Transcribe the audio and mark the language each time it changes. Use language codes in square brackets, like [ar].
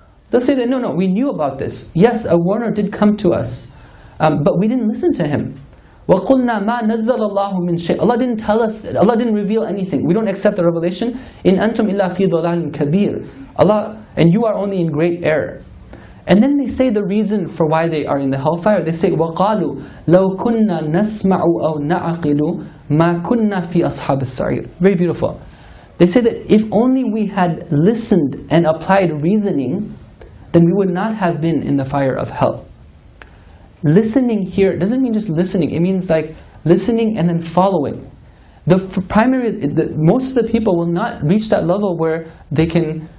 [en] They'll say that, no, we knew about this. Yes, a warner did come to us, but we didn't listen to him. [ar] وَقُلْنَا مَا نَزَّلَ اللَّهُ مِنْ شَيْءٍ. [en] Allah didn't tell us, Allah didn't reveal anything. We don't accept the revelation. [ar] إِنْ أَنْتُمْ إِلَّا فِي ضَلَالٍ كَبِيرٍ. [en] Allah, and you are only in great error. And then they say the reason for why they are in the hellfire. They say, [ar] وَقَالُوا لَوْ كُنَّا نَسْمَعُ أَوْ نَعَقِلُ مَا كُنَّا فِي أَصْحَابِ السَّعِيرِ. [en] Very beautiful. They say that if only we had listened and applied reasoning, then we would not have been in the fire of hell. Listening here doesn't mean just listening. It means like listening and then following. Most of the people will not reach that level where they can.